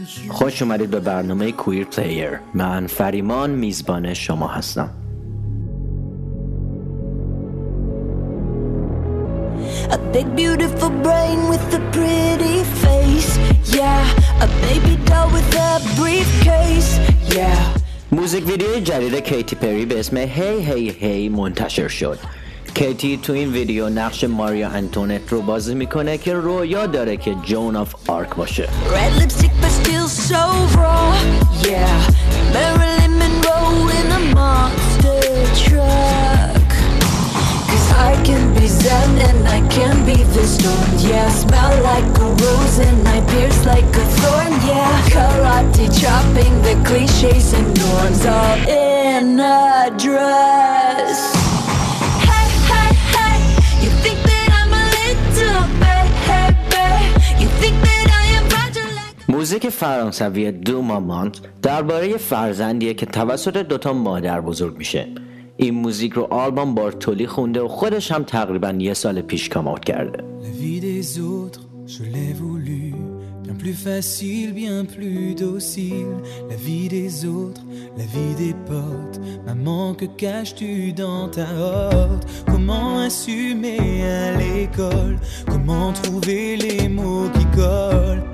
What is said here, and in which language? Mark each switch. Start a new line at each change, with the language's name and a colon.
Persian: خوش اومدید به برنامه کویر پلیر. من فریمان میزبان شما هستم.
English: A big beautiful brain with a pretty face. Yeah, a baby doll with a briefcase. Yeah.
Persian: موزیک ویدیو جدید کیتی پری به اسم هی هی هی منتشر شد. کیتی تو این ویدیو نقش ماریا انتونت رو بازی میکنه که رویا داره که جون آف آرک باشه.
English: Red lipstick but still so raw. Yeah. Marilyn Monroe in a monster truck. Cause I can be zen and I can be the storm. Yeah. Smell like a rose and I pierce like a thorn. Yeah. Karate chopping the cliches and norms all in a dress.
Persian: موزیک فرانسوی دو مامانت درباره فرزندیه که توسط دوتا مادر بزرگ میشه. این موزیک رو آلبوم بارتولی خونده و خودش هم تقریبا یه سال پیش کامات کرده.
French: La vie des autres, je l'ai voulu, bien plus facile, bien plus docile. La vie des autres, la vie des potes, maman que caches-tu dans ta horde. Comment assumer à l'école, comment trouver les mots qui collent.